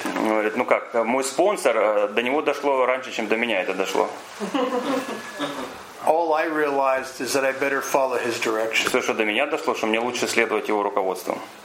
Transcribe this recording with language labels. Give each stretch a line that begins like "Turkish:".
Russian: Говорит, ну как, мой спонсор, до него дошло раньше, чем до меня это дошло.
English: All I realized is that I better follow his direction.
Russian: Все, что до меня дошло, что мне лучше следовать его руководству.